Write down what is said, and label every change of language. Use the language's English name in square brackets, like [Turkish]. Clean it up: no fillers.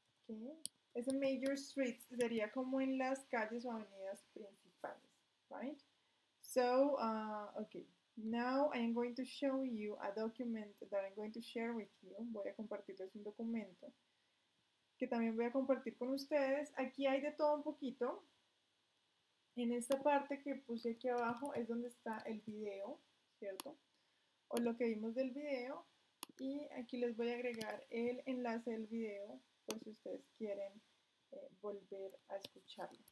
[Spanish] Okay, es a major streets sería como en las calles o avenidas principales, right? [English] So, okay. Now I am going to show you a document that I'm going to share with you. [Spanish] Voy a compartirles un documento que también voy a compartir con ustedes. Aquí hay de todo un poquito. En esta parte que puse aquí abajo es donde está el video, ¿cierto? O lo que vimos del video. Y aquí les voy a agregar el enlace del video por si ustedes quieren volver a escucharlo.